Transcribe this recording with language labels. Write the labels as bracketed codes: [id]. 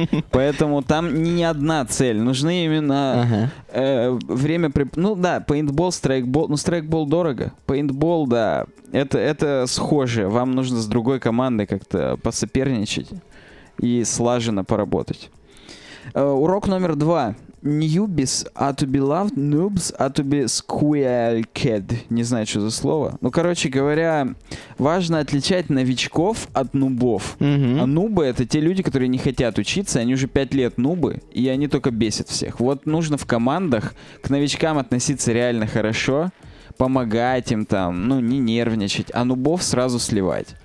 [ru] Поэтому там не одна цель. Нужны именно время... Ну да, пейнтбол, страйкбол. Ну, страйкбол дорого. Пейнтбол, да... Это схоже. Вам нужно с другой командой как-то посоперничать и слаженно поработать. Урок номер два. [en] Newbies are to be loved, noobs are to be squealked. [ru] Не знаю, что за слово. Ну, короче говоря, важно отличать новичков от нубов. А нубы — это те люди, которые не хотят учиться, они уже 5 лет нубы, и они только бесят всех. Вот нужно в командах к новичкам относиться реально хорошо, помогать им там, ну, не нервничать, а нубов сразу сливать.